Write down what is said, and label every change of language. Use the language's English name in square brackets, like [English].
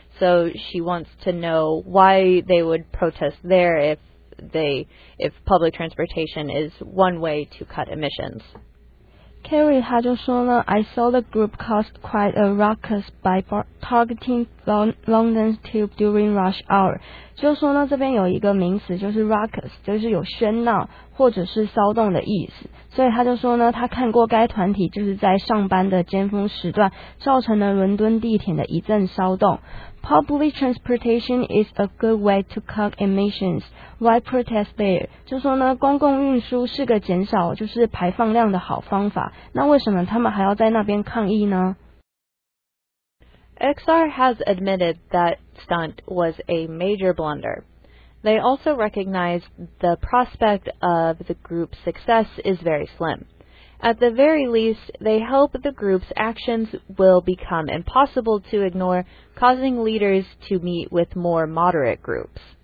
[English] So she wants to know why they would protest there if public transportation is one way to cut emissions. Carrie [Chinese] 她就说呢 [English] I saw the group caused quite a ruckus by targeting London's tube during rush hour. [Chinese] 就说呢这边有一个名词就是 ruckus, 就是有喧闹或者是骚动的意思。所以她就说呢她看过该团体就是在上班的尖峰时段造成了伦敦地铁的一阵骚动。 [English] Public transportation is a good way to cut emissions. Why protest there? [Chinese] 就说呢，公共运输是个减少就是排放量的好方法。那为什么他们还要在那边抗议呢？ [English] XR has admitted that stunt was a major blunder. They also recognize the prospect of the group's success is very slim. At the very least, they hope the group's actions will become impossible to ignore, causing leaders to meet with more moderate groups.